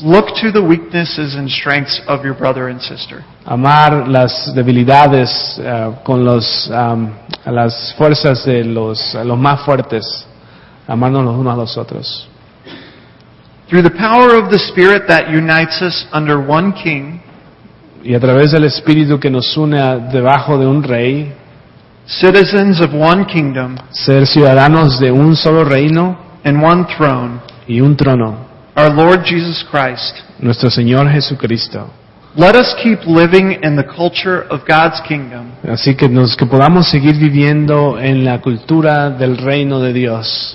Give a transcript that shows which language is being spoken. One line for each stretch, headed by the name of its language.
English: Look to the weaknesses and strengths of your brother and sister.
Spanish: Amar las debilidades con los las fuerzas de los más fuertes. Amarnos los unos a los otros.
English: Through the power of the Spirit that unites us under one King,
Spanish: y a través del Espíritu que nos une debajo de un rey,
English: citizens of one kingdom,
Spanish: ser ciudadanos de un solo reino,
English: and one throne,
Spanish: y un trono,
English: our Lord Jesus Christ,
Spanish: nuestro Señor Jesucristo,
English: let us keep living in the culture of God's kingdom.
Spanish: Así que que podamos seguir viviendo en la cultura del reino de Dios.